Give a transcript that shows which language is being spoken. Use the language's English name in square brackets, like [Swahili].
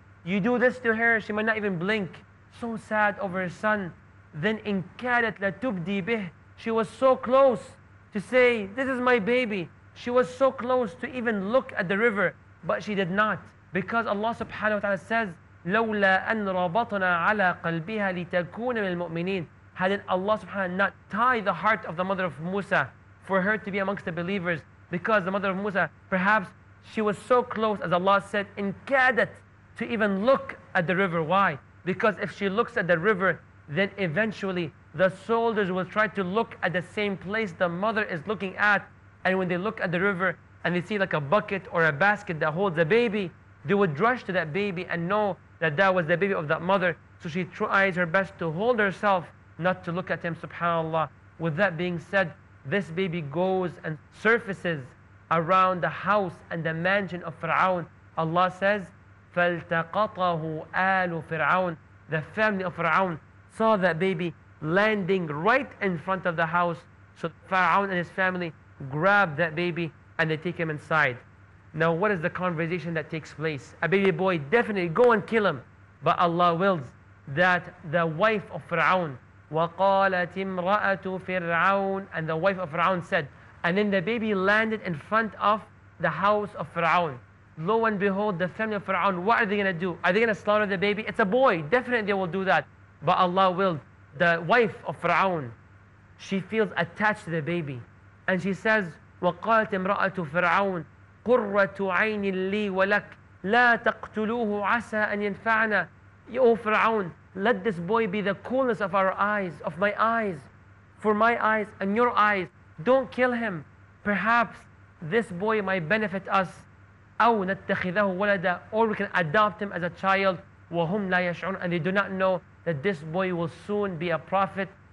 [English] You do this to her, she might not even blink. So sad over her son. Then in [Arabic] كَادَتْ لَتُبْدِي بِهِ. [English] She was so close to say, this is my baby. She was so close to even look at the river, but she did not. Because Allah subhanahu wa ta'ala says, [Arabic] لَوْلَا أَن رَبَطْنَا عَلَى قَلْبِهَا لِتَكُونَ مِنَ الْمُؤْمِنِينَ. [English] Hadn't Allah subhanahu wa ta'ala not tie the heart of the mother of Musa for her to be amongst the believers, because the mother of Musa, perhaps she was so close, as Allah said, in كَادَتْ, to even look at the river. Why? Because if she looks at the river, then eventually the soldiers will try to look at the same place the mother is looking at. And when they look at the river and they see like a bucket or a basket that holds a baby, they would rush to that baby and know that that was the baby of that mother. So she tries her best to hold herself, not to look at him, subhanAllah. With that being said, this baby goes and surfaces around the house and the mansion of Fir'aun. Allah says, [Arabic] فَالْتَقَطَهُ آلُ فِرْعَوْنَ. [English] The family of Fir'aun saw that baby landing right in front of the house. So Fir'aun and his family grab that baby and they take him inside. Now what is the conversation that takes place? A baby boy, definitely go and kill him. But Allah wills that the wife of Fir'aun, [Arabic] وَقَالَتِ امْرَأَةُ فِرْعَوْنَ. [English] And the wife of Fir'aun said, and then the baby landed in front of the house of Fir'aun. Lo and behold, the family of Fir'aun, what are they going to do? Are they going to slaughter the baby? It's a boy, definitely they will do that. But Allah will. The wife of Fir'aun, she feels attached to the baby. [Arabic] And she says, وَقَالَتِ امْرَأَةُ فِرْعَوْنَ قُرَّةُ عَيْنٍ لِي وَلَكْ لَا تَقْتُلُوهُ عَسَىٰ أَنْ يَنْفَعْنَا. [English] Oh Fir'aun, Let this boy be the coolness of our eyes, of my eyes, for my eyes and your eyes. Don't kill him. Perhaps this boy might benefit us. [Arabic] أو نتخذه ولدا, [English] or we can adopt him as a child. [Arabic] وهم لا يشعرون, [English] and they do not know that this boy will soon be a prophet.